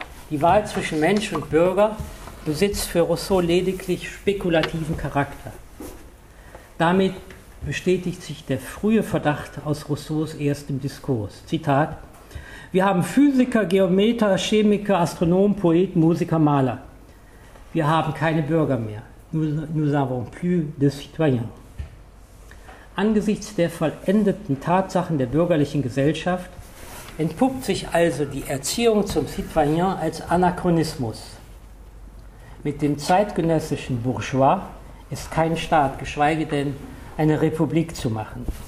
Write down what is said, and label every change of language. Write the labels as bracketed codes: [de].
[de] Die Wahl zwischen Mensch und Bürger besitzt für Rousseau lediglich spekulativen Charakter. Damit bestätigt sich der frühe Verdacht aus Rousseaus erstem Diskurs. Zitat: Wir haben Physiker, Geometer, Chemiker, Astronomen, Poeten, Musiker, Maler. Wir haben keine Bürger mehr. [fr] Nous n'avons plus de citoyens. [de] Angesichts der vollendeten Tatsachen der bürgerlichen Gesellschaft entpuppt sich also die Erziehung zum Citoyen als Anachronismus. Mit dem zeitgenössischen Bourgeois ist kein Staat, geschweige denn eine Republik zu machen.